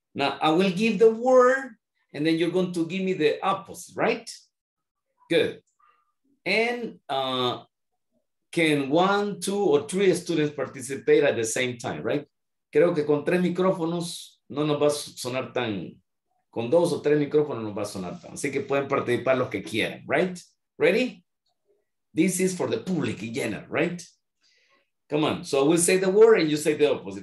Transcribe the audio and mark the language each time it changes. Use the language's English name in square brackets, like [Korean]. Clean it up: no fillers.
[English] Now, I will give the word, and then you're going to give me the opposite, right? Good. And can one, two, or three students participate at the same time, right? [Spanish] Creo que con tres micrófonos no nos va a sonar tan... Con dos o tres micrófonos no va a sonar tan. Así que pueden participar los que quieran, right? [English] Ready? This is for the public in general, right? Come on. So, I will say the word, and you say the opposite.